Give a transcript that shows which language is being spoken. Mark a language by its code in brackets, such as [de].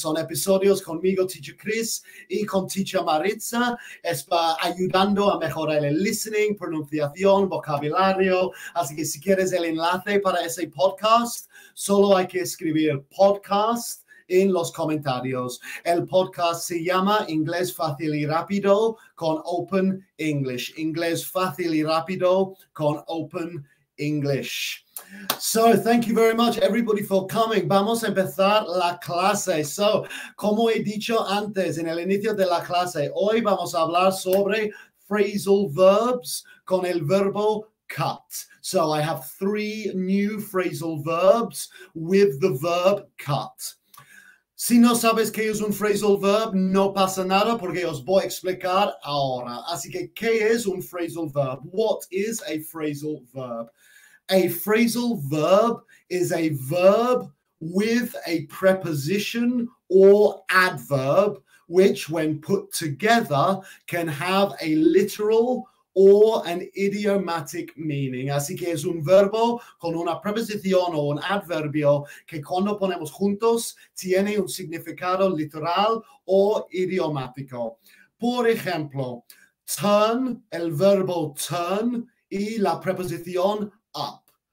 [es] Son episodios conmigo, Teacher Chris, y con Teacher Maritza, es para ayudando a mejorar el listening, pronunciación, vocabulario. Así que si quieres el enlace para ese podcast, solo hay que escribir podcast en los comentarios. El podcast se llama Inglés Fácil y Rápido con Open English. Inglés Fácil y Rápido con Open English. [en] So, thank you very much, everybody, for coming. [es] Vamos a empezar la clase. So, como he dicho antes, en el inicio de la clase, hoy vamos a hablar sobre phrasal verbs con el verbo cut. [en] So I have three new phrasal verbs with the verb cut. [es] Si no sabes qué es un phrasal verb, no pasa nada porque os voy a explicar ahora. Así que, ¿qué es un phrasal verb? [en] What is a phrasal verb? A phrasal verb is a verb with a preposition or adverb, which when put together can have a literal or an idiomatic meaning. [es] Así que es un verbo con una preposición o un adverbio que cuando ponemos juntos tiene un significado literal o idiomático. Por ejemplo, turn, el verbo turn y la preposición up.